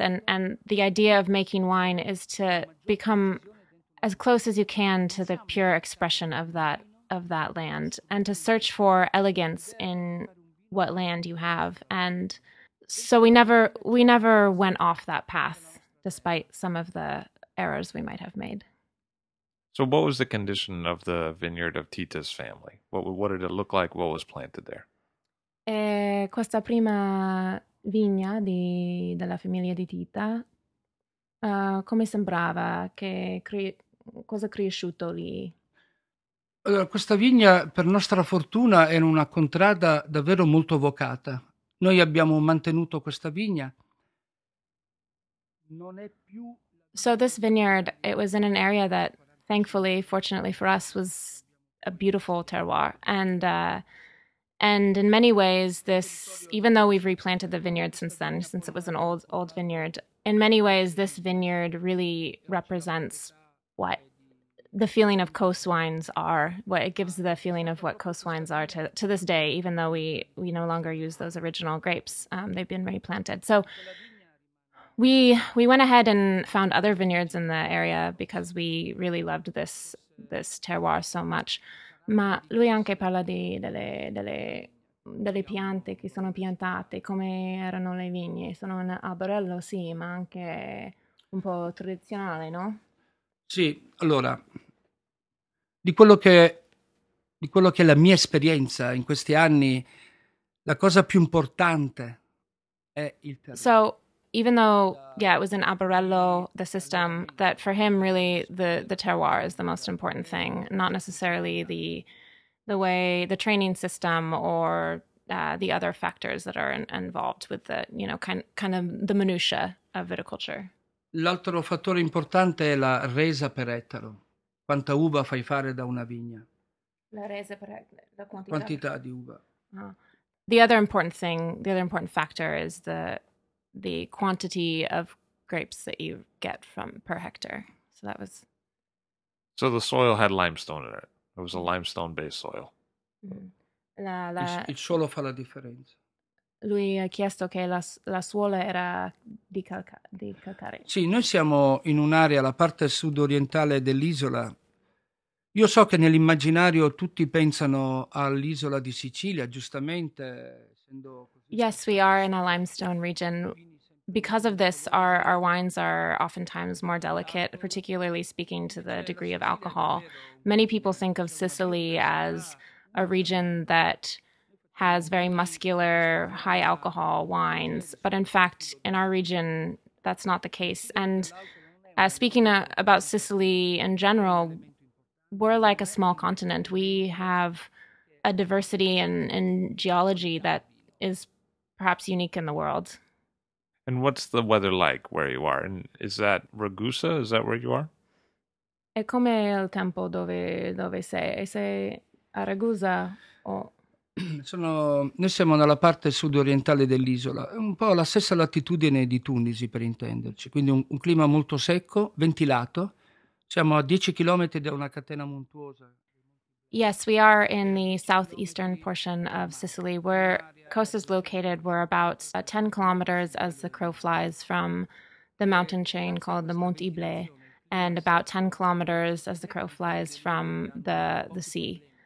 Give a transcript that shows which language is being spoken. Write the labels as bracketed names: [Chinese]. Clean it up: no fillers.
[English] And the idea of making wine is to become as close as you can to the pure expression of that land and to search for elegance in what land you have. And so we never went off that path, despite some of the errors we might have made. So what was the condition of the vineyard of Tita's family? What did it look like? What was planted there? [Italian] Questa prima vigna della famiglia di Tita, come sembrava? Cosa cresciuto lì? Allora, questa vigna, per nostra fortuna, era una contrada davvero molto vocata. Noi abbiamo mantenuto questa vigna. Non è più... [English] So this vineyard, it was in an area that, thankfully, fortunately for us, was a beautiful terroir. And in many ways, this, even though we've replanted the vineyard since then, since it was an old vineyard, in many ways, this vineyard really represents what the feeling of coast wines are, what it gives the feeling of what coast wines are to this day, even though we no longer use those original grapes. They've been replanted. So we went ahead and found other vineyards in the area because we really loved this terroir so much. [Italian] Ma lui anche parla delle piante che sono piantate, come erano le vigne. Sono un arborello, sì, ma anche un po' tradizionale, no? Sì, allora, di quello che è la mia esperienza in questi anni, la cosa più importante è il terreno. [English] So, even though, yeah, it was an arborello, the system, that for him, really, the terroir is the most important thing, not necessarily the way, the training system or the other factors that are involved with the, you know, kind of the minutia of viticulture. [Italian] L'altro fattore importante è la resa per ettaro. Quanta uva fai fare da una vigna? La resa per ettaro, la quantità. Quantità di uva. Oh. [English] The other important factor is the quantity of grapes that you get from per hectare. So that was... So the soil had limestone in it. It was a limestone-based soil. [Italian] Mm-hmm. La... Il suolo fa la differenza. Lui ha chiesto che la suola era di calcare. Sì, noi siamo in un'area, la parte sud-orientale dell'isola. Io so che nell'immaginario tutti pensano all'isola di Sicilia, giustamente. [English] Yes, we are in a limestone region. Because of this, our wines are oftentimes more delicate, particularly speaking to the degree of alcohol. Many people think of Sicily as a region that has very muscular, high alcohol wines. But in fact, in our region, that's not the case. And speaking about Sicily in general, we're like a small continent. We have a diversity in geology that is perhaps unique in the world. And what's the weather like where you are? And is that Ragusa? Is that where you are? [Italian] E come il tempo dove sei? Sei a Ragusa o... Noi siamo nella parte sud-orientale dell'isola, è un po' la stessa latitudine di Tunisi per intenderci, quindi un clima molto secco, ventilato, siamo a 10 chilometri da una catena montuosa. [English] Yes, we are in the southeastern portion of Sicily, where coast is located, we're about 10 kilometers as the crow flies from the mountain chain called the Mont Ible, and about 10 kilometers as the crow flies from the sea.